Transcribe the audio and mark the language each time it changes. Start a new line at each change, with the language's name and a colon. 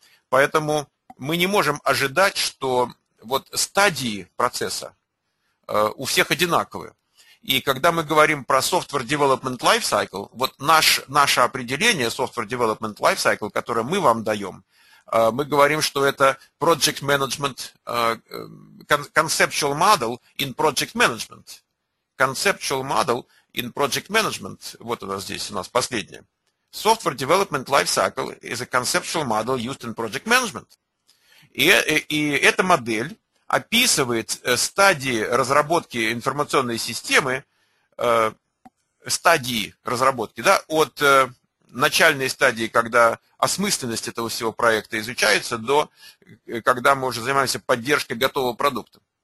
Russian: Поэтому мы не можем ожидать, что вот стадии процесса у всех одинаковые. И когда мы говорим про Software Development Lifecycle, вот наше определение Software Development Lifecycle, которое мы вам даем, мы говорим, что это
English: Project Management Conceptual Model in Project Management. Conceptual Model in Project Management.
Russian: Вот у нас здесь, у нас последнее.
English: Software Development Lifecycle is a Conceptual Model used in Project Management.
Russian: И эта модель описывает стадии разработки информационной системы, стадии разработки, да, от начальной стадии, когда осмысленность этого всего проекта изучается, до когда мы уже занимаемся поддержкой готового продукта.